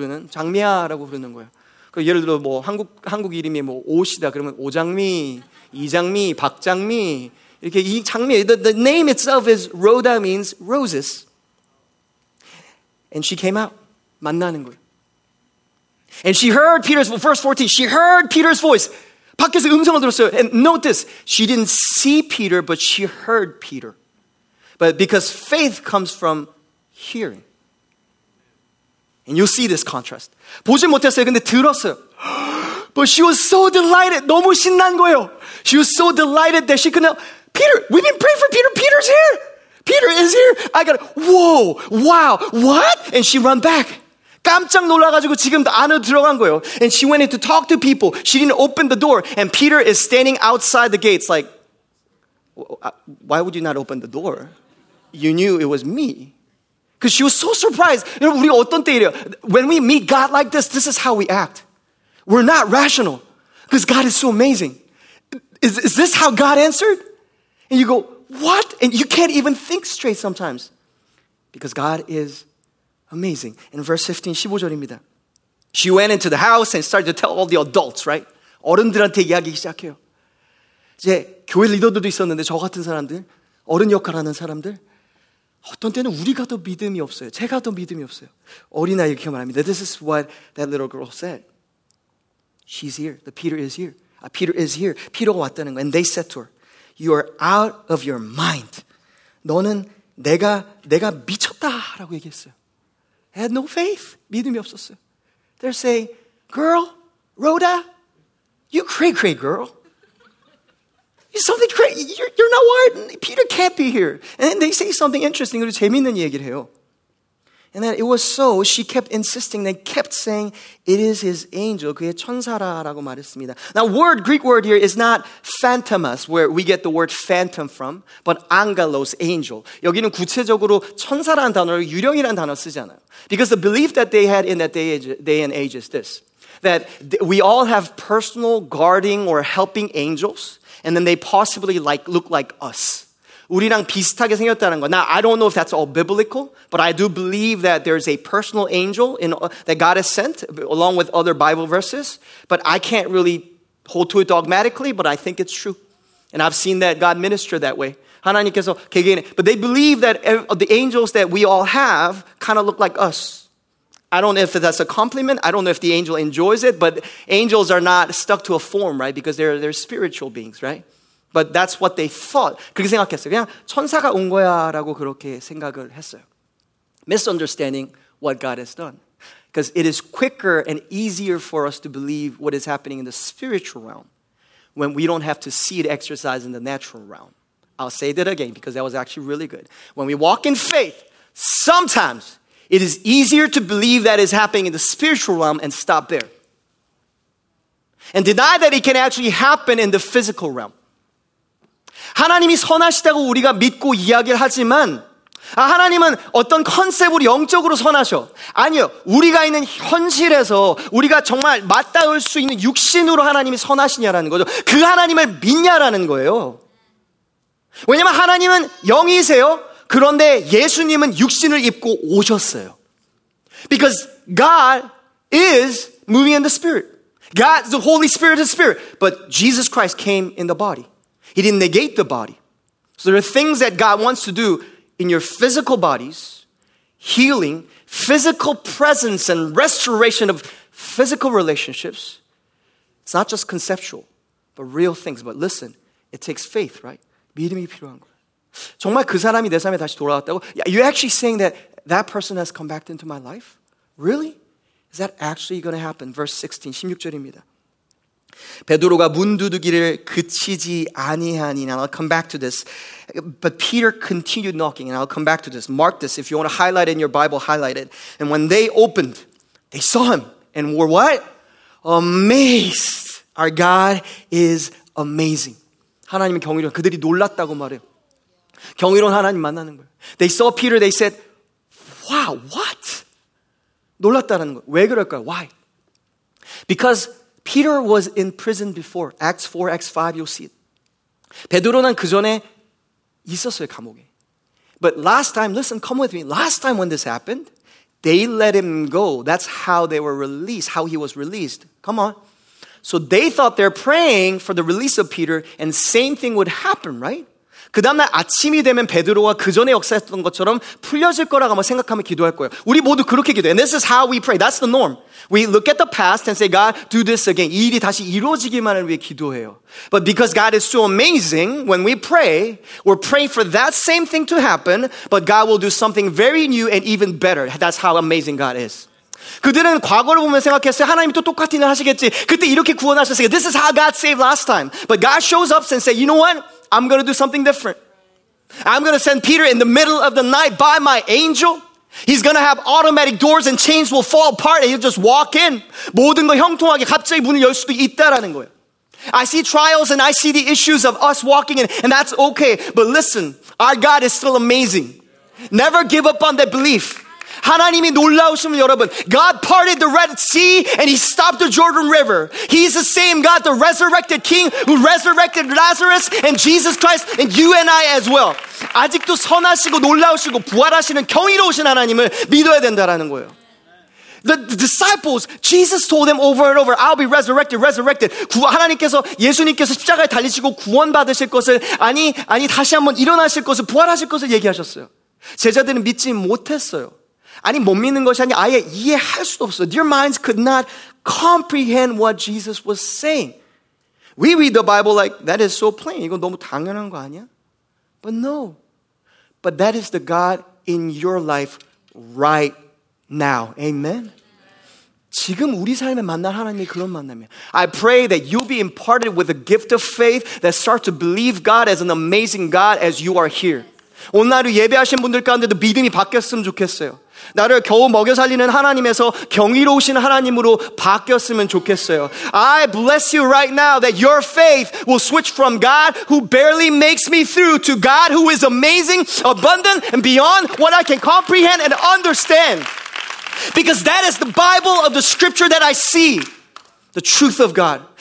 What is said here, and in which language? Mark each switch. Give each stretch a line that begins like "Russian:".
Korean: 장미야라고 부르는 거예요. 그 예를 들어 뭐 한국 이름이 뭐 옷이다 그러면 오장미, 이장미, 박장미 이렇게 이 장미.
English: The name itself is Rhoda means roses. And she came out
Korean: 만나는 거예요.
English: And she heard Peter's verse 14. She heard Peter's voice.
Korean: 밖에서 음성을 들었어요.
English: And note this, she didn't see Peter, but she heard Peter. But because faith comes from hearing. And you'll see this contrast.
Korean: 보지 못했어요. 근데 들었어요.
English: But she was so delighted.
Korean: 너무 신난 거예요.
English: She was so delighted that she could not... Peter, we've been praying for Peter. Peter's here. Peter is here. I got it. Whoa, wow, what? And she ran back.
Korean: 깜짝 놀라가지고 지금 안에 들어간 거예요.
English: And she went in to talk to people. She didn't open the door. And Peter is standing outside the gates like, why would you not open the door? You knew it was me. Because she was so surprised.
Korean: 여러분, 우리 어떤 때 이래요?
English: When we meet God like this, this is how we act. We're not rational. Because God is so amazing. Is this how God answered? And you go, what? And you can't even think straight sometimes. Because God is amazing. In verse 15,
Korean: 15절입니다.
English: She went into the house and started to tell all the adults, right?
Korean: 어른들한테 이야기 시작해요. 이제 교회 리더들도 있었는데 저 같은 사람들, 어른 역할하는 사람들, 어떤 때는 우리가 더 믿음이 없어요. 제가 더 믿음이 없어요. 어린아이 이렇게 말합니다.
English: This is what that little girl said. She's here. The Peter is here. Peter is here.
Korean: Peter가 왔다는 거.
English: And they said to her, you are out of your mind.
Korean: 너는 내가 미쳤다라고 얘기했어요.
English: I had no faith.
Korean: 믿음이 없었어요.
English: They're saying, girl, Rhoda, you cray cray girl. Something crazy. You're not wired. Peter can't be here. And then they say something interesting.
Korean: 그리고 재미있는 얘기를 해요.
English: And that it was so, she kept insisting. They kept saying, it is his angel.
Korean: 그의 천사라라고 말했습니다.
English: Now, word, Greek word here is not phantomas, where we get the word phantom from, but angelos, angel.
Korean: 여기는 구체적으로 천사라는 단어를 유령이라는 단어 쓰잖아요.
English: Because the belief that they had in that day and age is this, that we all have personal guarding or helping angels, and then they possibly like look like us.
Korean: 우리랑 비슷하게 생겼다는 거.
English: Now, I don't know if that's all biblical, but I do believe that there's a personal angel that God has sent along with other Bible verses, but I can't really hold to it dogmatically, but I think it's true. And I've seen that God minister that way.
Korean: 하나님께서 개개인에,
English: but they believe that the angels that we all have kind of look like us. I don't know if that's a compliment. I don't know if the angel enjoys it, but angels are not stuck to a form, right? Because they're spiritual beings, right? But that's what they thought.
Korean: 그렇게 생각했어요. 그냥 천사가 온 거야라고 그렇게 생각을 했어요.
English: Misunderstanding what God has done. Because it is quicker and easier for us to believe what is happening in the spiritual realm when we don't have to see it exercise in the natural realm. I'll say that again because that was actually really good. When we walk in faith, sometimes it is easier to believe that is happening in the spiritual realm and stop there. And deny that it can actually happen in the physical realm.
Korean: 하나님이 선하시다고 우리가 믿고 이야기를 하지만 아, 하나님은 어떤 컨셉으로 영적으로 선하셔. 아니요. 우리가 있는 현실에서 우리가 정말 맞닿을 수 있는 육신으로 하나님이 선하시냐라는 거죠. 그 하나님을 믿냐라는 거예요. 왜냐하면 하나님은 영이세요. 그런데 예수님은 육신을 입고 오셨어요.
English: Because God is moving in the spirit. God, the Holy Spirit is spirit. But Jesus Christ came in the body. He didn't negate the body. So there are things that God wants to do in your physical bodies, healing, physical presence and restoration of physical relationships. It's not just conceptual, but real things. But listen, it takes faith, right?
Korean: 믿음이 필요한 거예요. 정말 그 사람이 내 삶에 다시 돌아왔다고?
English: You're actually saying that that person has come back into my life? Really? Is that actually going to happen? Verse 16,
Korean: 16절입니다. 베드로가 문두드기를 그치지 아니하니나.
English: I'll come back to this. But Peter continued knocking, and I'll come back to this. Mark this. If you want to highlight it in your Bible, highlight it. And when they opened, they saw him and were what? Amazed. Our God is amazing.
Korean: 하나님의 경이로 그들이 놀랐다고 말해요. 경이로운 하나님 만나는 거예요.
English: They saw Peter, they said, wow, what?
Korean: 놀랐다는 거예요. 왜 그럴까요?
English: Why? Because Peter was in prison before. Acts 4, Acts 5, you'll see it.
Korean: 베드로는 그 전에 있었어요, 감옥에.
English: But last time, listen, come with me. Last time when this happened, they let him go. That's how they were released, how he was released. Come on. So they thought they're praying for the release of Peter, and same thing would happen, right?
Korean: 그 다음날 아침이 되면 베드로가 그 전에 역사했던 것처럼 풀려질 거라고 한번 생각하면 기도할 거예요. 우리 모두 그렇게 기도해.
English: And this is how we pray. That's the norm. We look at the past and say, God, do this again.
Korean: 이 일이 다시 이루어지기만을 위해 기도해요.
English: But because God is so amazing, when we pray, we're praying for that same thing to happen, but God will do something very new and even better. That's how amazing God is.
Korean: 그들은 과거를 보면 생각했어요. 하나님이 또 똑같은 일을 하시겠지. 그때 이렇게 구원하셨어요.
English: This is how God saved last time. But God shows up and says, you know what? I'm going to do something different. I'm going to send Peter in the middle of the night by my angel. He's going to have automatic doors and chains will fall apart and he'll just walk in.
Korean: 모든 거 형통하게 갑자기 문을 열 수도 있다라는 거예요.
English: I see trials and I see the issues of us walking in and that's okay. But listen, our God is still amazing. Never give up on that belief.
Korean: 하나님이 놀라우심을 여러분
English: God parted the Red Sea and he stopped the Jordan River. He's the same God, the resurrected King who resurrected Lazarus and Jesus Christ and you and I as well.
Korean: 아직도 선하시고 놀라우시고 부활하시는 경이로우신 하나님을 믿어야 된다라는 거예요.
English: The disciples, Jesus told them over and over, I'll be resurrected, resurrected.
Korean: 하나님께서, 예수님께서 십자가에 달리시고 구원받으실 것을 아니 다시 한번 일어나실 것을 부활하실 것을 얘기하셨어요. 제자들은 믿지 못했어요. 아니 못 믿는 것이 아니 아예 이해할 수도 없어.
English: Their minds could not comprehend what Jesus was saying. We read the Bible like that is so plain.
Korean: 이건 너무 당연한 거 아니야?
English: But no. But that is the God in your life right now. Amen.
Korean: 지금 우리 삶에 만날 하나님이 그런 만남이야.
English: I pray that you'll be imparted with a gift of faith that start to believe God as an amazing God as you are here.
Korean: 오늘 하루 예배하신 분들 가운데도 믿음이 바뀌었으면 좋겠어요. 나를 겨우 먹여 살리는 하나님에서 경이로우신 하나님으로 바뀌었으면 좋겠어요.
English: I bless you right now that your faith will switch from God who barely makes me through to God who is amazing, abundant, and beyond what I can comprehend and understand. Because that is the Bible of the scripture that I see. The truth of God.